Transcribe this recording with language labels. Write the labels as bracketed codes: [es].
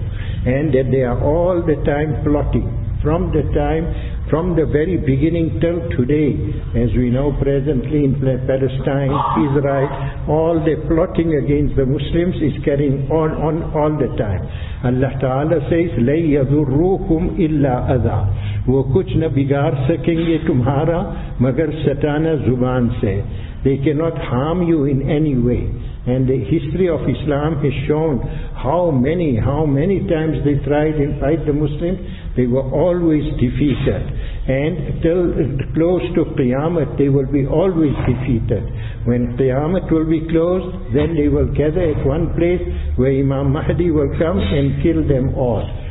[en] And that they are all the time plotting. From the very beginning till today, as we know presently in Palestine, Israel, all the plotting against the Muslims is carrying on all the time. Allah Ta'ala says, [ar] لَنْ يَذُرُّوكُمْ إِلَّا أَذَى. [ur] وہ کچھ نہ بگار سکیں گے تمہارا مگر ستانہ زبان سے. [en] They cannot harm you in any way. And the history of Islam has shown how many times they tried and fight the Muslims. They were always defeated. And till close to Qiyamah, they will be always defeated. When Qiyamah will be closed, then they will gather at one place where Imam Mahdi will come and kill them all.